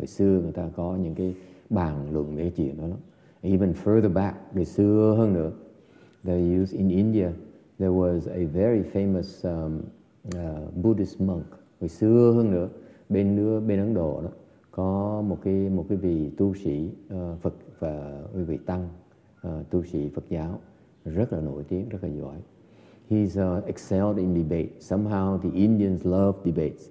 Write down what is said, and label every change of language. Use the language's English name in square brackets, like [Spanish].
[Vietnamese] Hồi xưa người ta có những cái bàn luận về chuyện đó lắm. [English] Even further back, [Vietnamese] ngày xưa hơn nữa, [English] they used in India, there was a very famous Buddhist monk. [Vietnamese] Hồi xưa hơn nữa, bên Ấn Độ đó có một cái vị tu sĩ Phật và vị tăng tu sĩ Phật giáo rất là nổi tiếng, rất là giỏi. [English] He's excelled in debate. Somehow the Indians love debates.